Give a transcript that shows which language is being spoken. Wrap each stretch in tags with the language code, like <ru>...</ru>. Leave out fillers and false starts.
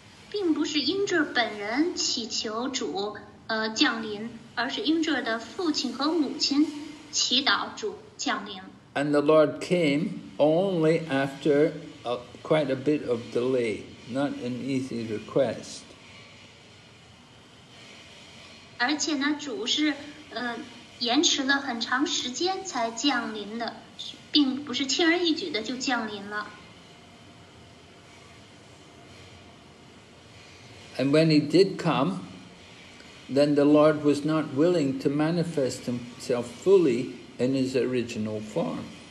<zh>并不是Indra本人祈求主降临，而是Indra的父亲和母亲。</zh> <en>And the Lord came only after quite a bit of delay, not an easy request.</en> <zh>而且呢，主是延迟了很长时间才降临的，并不是轻而易举的就降临了。</zh> <en>And when he did come, then the Lord was not willing to manifest himself fully in his original form.</en>